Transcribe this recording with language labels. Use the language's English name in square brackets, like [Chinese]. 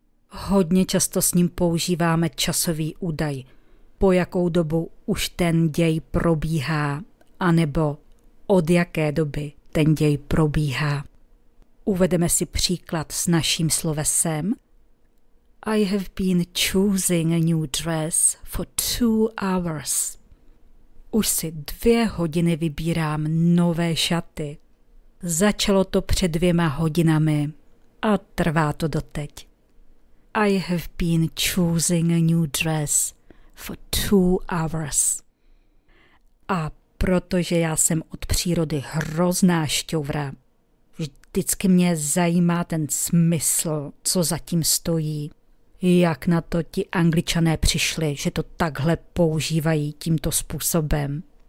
[Czech] Hodně často s ním používáme časový údaj, po jakou dobu už ten děj probíhá, anebo od jaké doby ten děj probíhá. Uvedeme si příklad s naším slovesem. [English] I have been choosing a new dress for 2 hours. [Czech] Už si 2 hodiny vybírám nové šaty. Začalo to před 2 hodinami a trvá to doteď. [English] I have been choosing a new dress for 2 hours. [Czech] A protože já jsem od přírody hrozná šťovra, vždycky mě zajímá ten smysl, co zatím stojí. Jak na to ti Angličané přišli, že to takhle používají tímto způsobem.